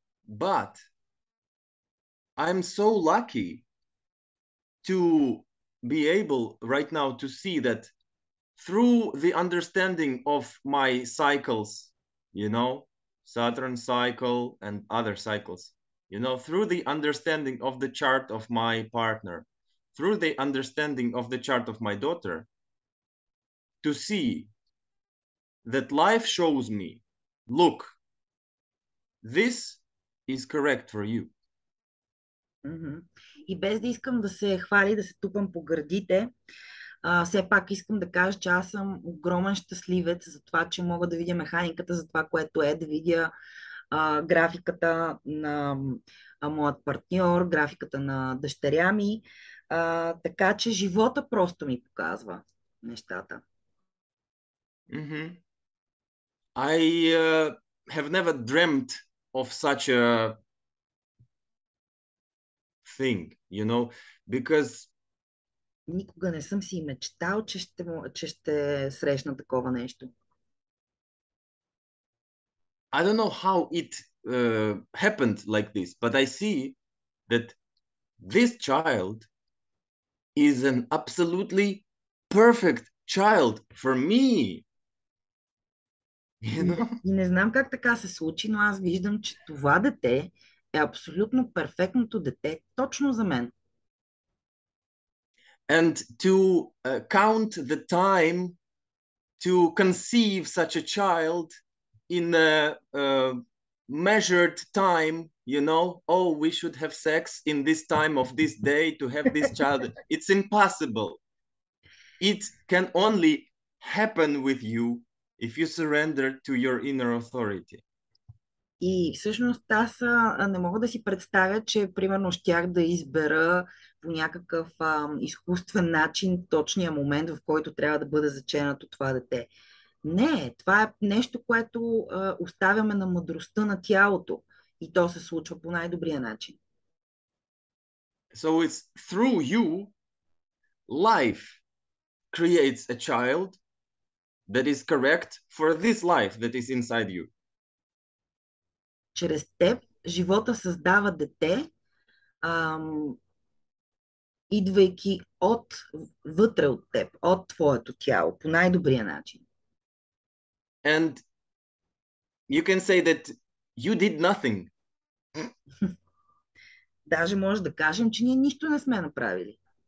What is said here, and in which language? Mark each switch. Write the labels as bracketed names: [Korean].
[English] But I'm so lucky to be able right now to see that through the understanding of my cycles, you know, Saturn cycle and other cycles, you know, through the understanding of the chart of my partner, through the understanding of the chart of my daughter, to see that life shows me, look, this is correct for you. [Bulgarian] И без да искам да се хвали, да се тупам по гърдите, все пак искам да кажа, че аз съм огромен щастливец за това, че мога да видя механиката за това, което е, да видя графиката на моят партньор, графиката на дъщеря ми. Така че живота просто ми показва нещата. Mm-hmm. [English] I have never dreamt of such a thing, you know, because [Bulgarian] никога не съм си мечтал, че ще срещна такова нещо. [English] I don't know how it happened like this, but I see that this child is an absolutely perfect child for me. You know? [Bulgarian] И не знам как така се случи, но аз виждам, че това дете е абсолютно перфектното дете точно за мен. [English] And to count the time to conceive such a child in a measured time, you know, oh, we should have sex in this time of this day to have this child. It's impossible. It can only happen with you if you surrender to your inner authority. [Bulgarian] И всъщност аз не мога да си представя, че примерно щях да избера по някакъв изкуствен начин точния момент, в който трябва да бъде заченато това дете. Не, това е нещо, което оставяме на мъдростта на тялото и то се случва по най-добрия начин. [English] So it's through you, life creates a child that is correct for this life that is inside you. [Bulgarian] Чрез теб живота създава дете, идвайки от вътре от теб, от твоето тяло, по най-добрия начин. [English] And you can say that you did nothing. [Bulgarian] Даже може да кажем, че ние нищо не сме направили.